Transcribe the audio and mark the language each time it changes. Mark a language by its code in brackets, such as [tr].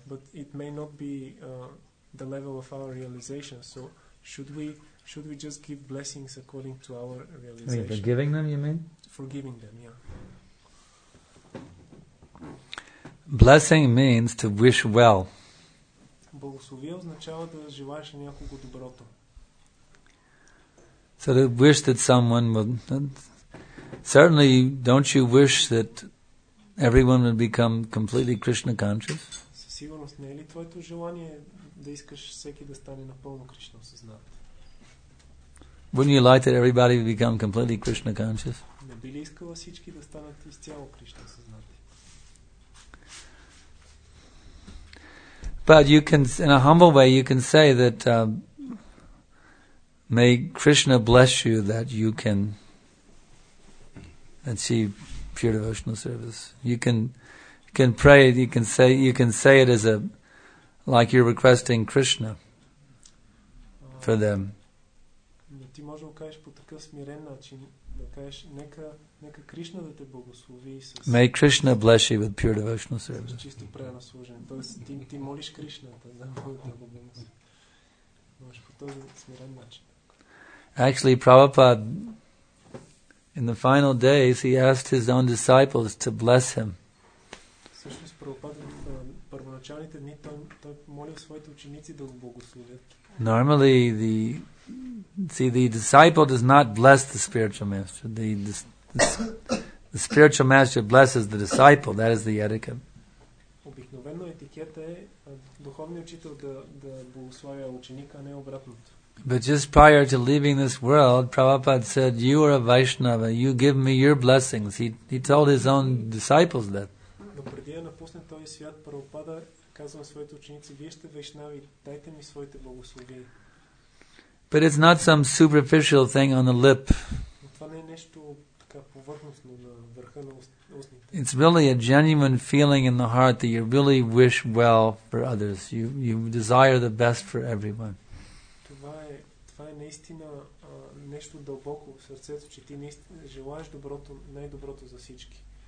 [en] but it may not be the level of our realization. So, should we just give blessings according to our realization? Wait, forgiving them, you mean? Forgiving them, yeah. Blessing means to wish well. [bg] Благословие означава да желаеш на някого доброто. [en] So to wish that someone would... Certainly, don't you wish that everyone would become completely Krishna conscious? [bg] Със сигурност не е ли твоето желание да искаш всеки да стане напълно Кришна осъзнат? [en] Wouldn't you like that everybody would become completely Krishna conscious? [bg] Не би ли искала всички да станат изцяло Кришна осъзнати? [en] But you can, in a humble way, you can say that may Krishna bless you that you can achieve pure devotional service. You can pray. You can say it as a like you're requesting Krishna for them. [bg] Ти можеш да кажеш по такъв смирен начин да кажеш нека Кришна да те благослови с. [en] May Krishna bless you with pure devotional service. [bg] Чисто предано служение. Тоест ти молиш Кришна да те благослови. Може по този смирен начин. [en] Actually, Prabhupada, in the final days, he asked his own disciples to bless him. [bg] Всъщност Прабхупада в първоначалните дни той молил своите ученици да го благословят. [en] Normally, the disciple does not bless the spiritual master. The spiritual master blesses the disciple. That is the etiquette. [bg] Обикновено етикета е духовният учител да благославя ученика, не обратното. [en] But just prior to leaving this world, Prabhupada said, "You are a Vaishnava. You give me your blessings." He told his own disciples that. [bg] Но преди да напусне този свят, Прабхупада казва на своите ученици: "Вие сте вайшнави, дайте ми своите благословия." [en] But it's not some superficial thing on the lip. [bg] Това не е нещо така повърхностно на върха на устните. [en] It's really a genuine feeling in the heart that you really wish well for others. You desire the best for everyone. [bg] Това е наистина нещо дълбоко в сърцето, че ти наистина желаеш доброто, най-доброто за всички.